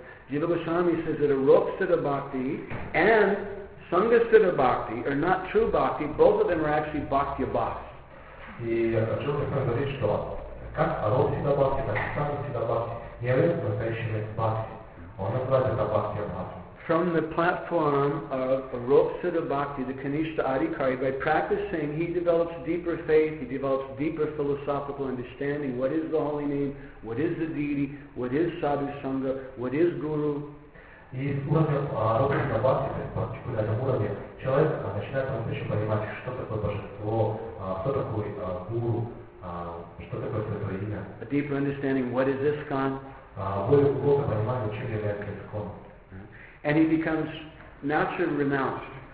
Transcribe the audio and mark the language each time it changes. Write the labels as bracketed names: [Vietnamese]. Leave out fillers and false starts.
[English] Jiva Goswami says that a rupa-siddha bhakti and sangha-siddha bhakti are not true bhakti, both of them are actually bhakti-bhakti. [Russian] И хочу говорить, что как род сида бхакти, так и сам сида бхакти не является настоящими бхакти. Он называет это бхакти бхакти. [English] From the platform of Arup Siddha Bhakti, the Kanishta Adhikari, by practicing, he develops deeper faith, he develops deeper philosophical understanding. What is the holy name? What is the deity? What is Sadhu Sangha? What is Guru? [Russian] И в уровне Arup Siddha Bhakti, в этом уровне, человек начинает по-настоящему понимать, что такое божество, что такое гуру, что такое святое имя. [English] A deeper understanding, what is ISKCON? [Russian] Глубокое понимание, чем является ISKCON. [English] And he becomes naturally renounced.